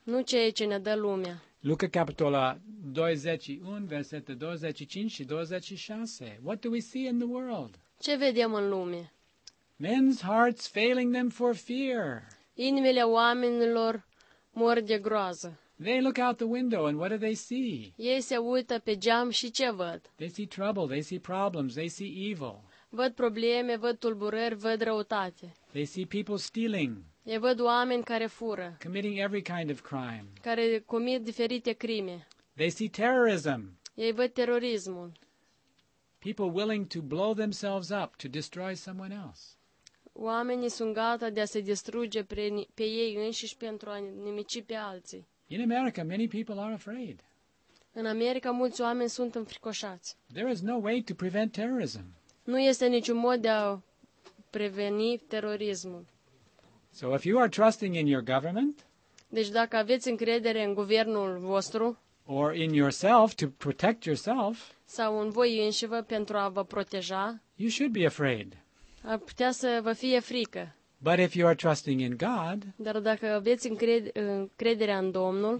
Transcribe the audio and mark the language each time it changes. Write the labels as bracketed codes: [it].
[ro] Nu ceea ce ne dă lumea. Luca capitolul 21, versetele 25 și 26. [en] What do we see in the world? [ro] Ce vedem în lume? [en] Men's hearts failing them for fear. [ro] Inimile oamenilor mor de groază. [en] They look out the window and what do they see? [ro] Ei se uită pe geam și ce văd? [en] They see trouble, they see problems, they see evil. [ro] Văd probleme, văd tulburări, văd răutate. [en] They see people stealing. [ro] Ei văd oameni care fură. [en] Committing every kind of crime. [ro] Care comit diferite crime. [en] They see terrorism. [ro] Ei văd terorismul. [en] People willing to blow themselves up to destroy someone else. [ro] Oamenii sunt gata de a se distruge pe ei înșiși pentru a nimici pe alții. [en] In America, many people are afraid. [ro] În America, mulți oameni sunt înfricoșați. [en] There is no way to prevent terrorism. [ro] Nu este niciun mod de a preveni terorismul. [en] So if you are trusting in your government, [ro] deci dacă aveți încredere în guvernul vostru, [en] Or in yourself to protect yourself. [ro] Sau în voi înșivă pentru a vă proteja. [en] You should be afraid. [ro] Ar putea să vă fie frică. [en] But if you are trusting in God, [ro] dar dacă aveți încrederea în Domnul,